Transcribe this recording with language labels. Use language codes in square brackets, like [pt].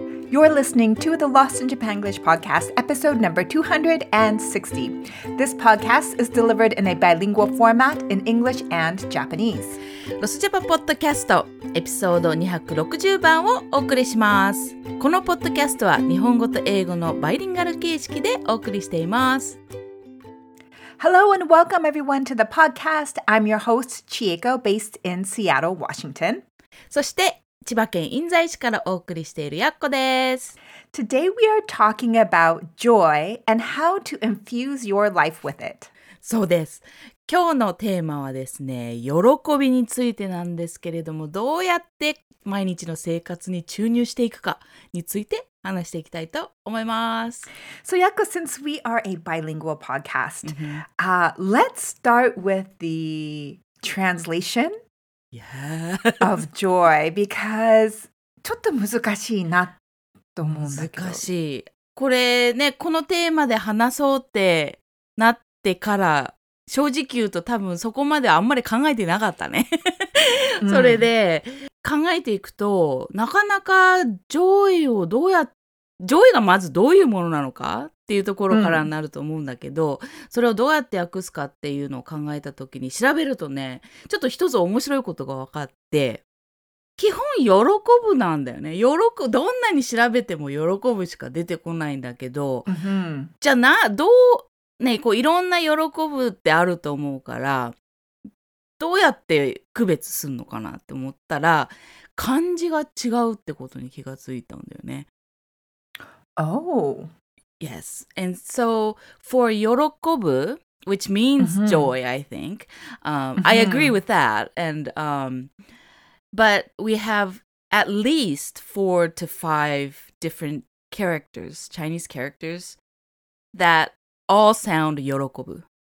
[en] You're listening to the Lost in Japanglish podcast, episode number 260. This podcast is delivered in a bilingual format in English and Japanese. [ja] ロスジャパポッドキャストエピソード260番をお送りします。このポッドキャストは日本語と英語のバイリンガル形式でお送りしています。 [en] Hello and welcome everyone to the podcast. I'm your host, Chieko, based in Seattle, Washington. [ja] そして千葉県印西市からお送りしているやっこです。 [en] Today we are talking about joy and how to infuse your life with it. [ja] そうです。今日のテーマはですね、喜びについてなんですけれども、どうやって毎日の生活に注入していくかについて話していきたいと思います。 [en] So Yakko, since we are a bilingual podcast, let's start with the translation. Yeah. of joy, because [ja] ちょっと難しいなと思うんだけど。難しい。これね、このテーマで話そうってなってから、正直言うと多分そこまであんまり考えてなかったね。それで、考えていくと、なかなかジョイがまずどういうものなのかっていうところからになると思うんだけど、うん、それをどうやって訳すかっていうのを考えた時に調べるとね、ちょっと一つ面白いことが分かって、基本喜ぶなんだよね。どんなに調べても喜ぶしか出てこないんだけど、うん、じゃあなどうね、こういろんな喜ぶってあると思うから、どうやって区別するのかなって思ったら、漢字が違うってことに気がついたんだよね。 [en] Oh. Yes. And so for yorokobu, which means joy, I think, I agree with that. And, but we have at least 4 to 5 different characters, Chinese characters, that all sound yorokobu.